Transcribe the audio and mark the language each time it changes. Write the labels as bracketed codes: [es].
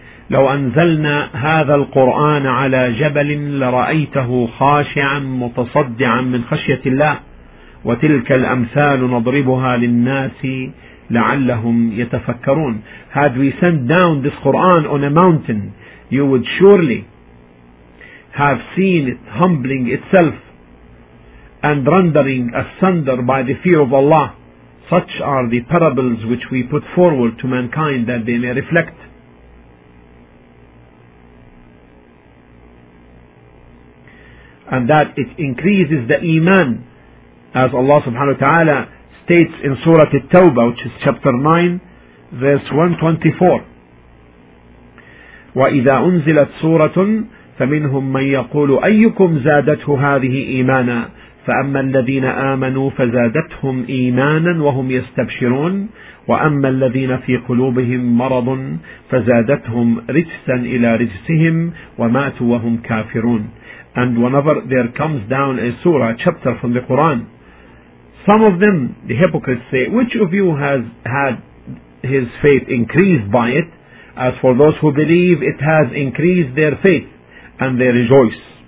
[ar] لو أنزلنا هذا القرآن على جبل لرأيته خاشعا متصدعا من خشية الله وتلك الأمثال نضربها للناس لعلهم يتفكرون. [en] Had we sent down this Quran on a mountain, you would surely have seen it humbling itself and rendering asunder by the fear of Allah. Such are the parables which we put forward to mankind that they may reflect. And that it increases the iman, as Allah subhanahu wa ta'ala states in Surah At-Tawbah, which is chapter 9, verse 124. [ar] وَإِذَا أُنزِلَتْ سُورَةٌ فَمِنْهُمْ مَنْ يَقُولُ أَيُّكُمْ زَادَتْهُ هَذِهِ إِيمَانًا فأما الذين آمنوا فزادتهم إيمانا وهم يستبشرون وأما الذين في قلوبهم مرض فزادتهم رجسا إلى رجسهم وماتوا وهم كافرون. [en] And whenever there comes down a surah, a chapter from the Quran, some of them, the hypocrites, say, which of you has had his faith increased by it? As for those who believe, it has increased their faith and they rejoice.